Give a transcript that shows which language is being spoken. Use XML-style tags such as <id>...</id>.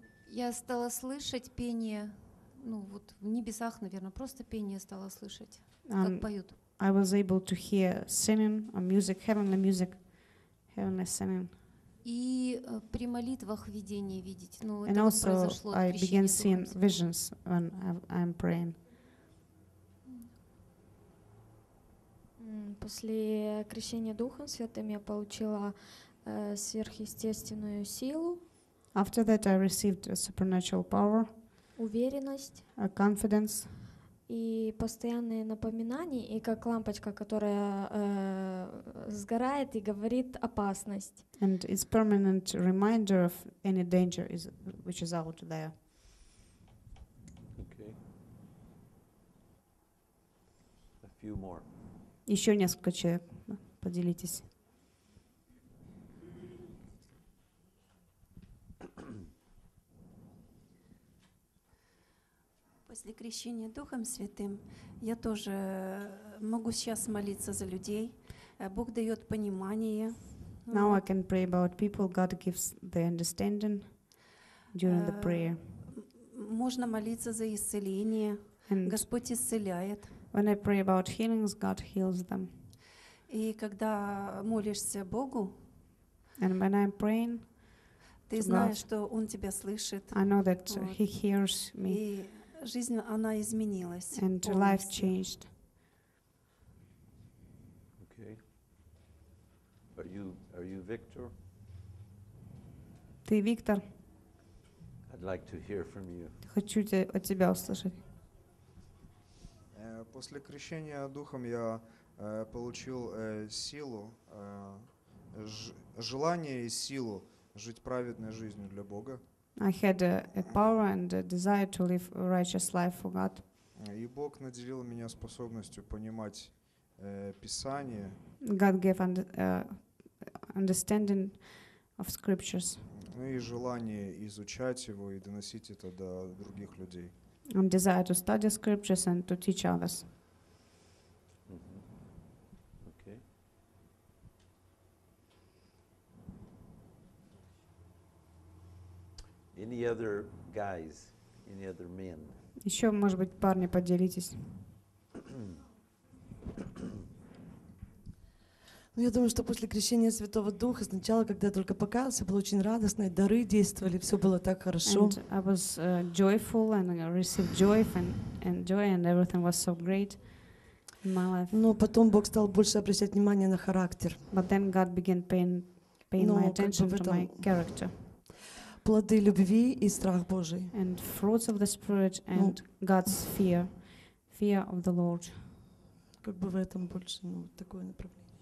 <ru>Я стала слышать пение, ну вот в небесах, наверное, просто пение стала слышать, как поют.</ru> <en>I was able to hear singing, or music, heavenly singing.</en> <ru>И при молитвах видение видеть, ну это произошло при крещении.</ru> <en>And also I began seeing visions when I'm praying.</en> <ru>После крещения Духом Святым я получила сверхъестественную силу.</ru> <en>After that I received a supernatural power.</en> <ru>Уверенность.</ru> <en>A confidence.</en> <ru>И постоянные напоминания, и как лампочка, которая сгорает и говорит опасность.</ru> <en>And it's permanent reminder of any danger is which is out there. Okay. A few more.</en> <ru>Еще несколько человек. Поделитесь. После крещения Духом Святым я тоже могу сейчас молиться за людей. Бог дает понимание.</ru> <en>Now I can pray about people. God gives the understanding during the prayer.</en> <ru>Можно молиться за исцеление.</ru> <en>And</en> <ru>Господь исцеляет.</ru> <en>When I pray about healings, God heals them.</en> <ru>И когда молишься Богу,</ru> <en>and when I'm praying,</en> <ru>ты знаешь, что Он тебя слышит.</ru> <en>I know that He hears me.</en> <ru>Жизнь, она изменилась.</ru> <en>And</en> <ru>полностью.</ru> <en>Life changed. Okay. Are you Victor?</en> <ru>Ты Виктор?</ru> <en>I'd like to hear from you.</en> <ru>Хочу от тебя услышать. После крещения Духом я получил силу, желание и силу жить праведной жизнью для Бога.</ru> <en>I had a power and a desire to live a righteous life for God.</en> <ru>И Бог наделил меня способностью понимать Писание.</ru> <en>God gave understanding of scriptures.</en> <ru>Ну и желание изучать его и доносить это до других людей.</ru> <en>And desire to study scriptures and to teach others. Any other guys? Any other men?</en> <ru>Еще, может быть, парни, поделитесь. Я думаю, что после крещения Святого Духа, сначала, когда я только покаялся, было очень радостно, и дары действовали, все было так хорошо.</ru> <en>And I was joyful and I received joy and joy and everything was so great in my life.</en> <ru>Но потом Бог стал больше обращать внимание на характер.</ru> <en>But then God began paying my attention to my character.</en> <ru>Плоды любви и страх Божий.</ru> <en>And fruits of the Spirit and God's fear of the Lord.</en> <ru>Как бы в этом больше, ну, такое направление.</ru>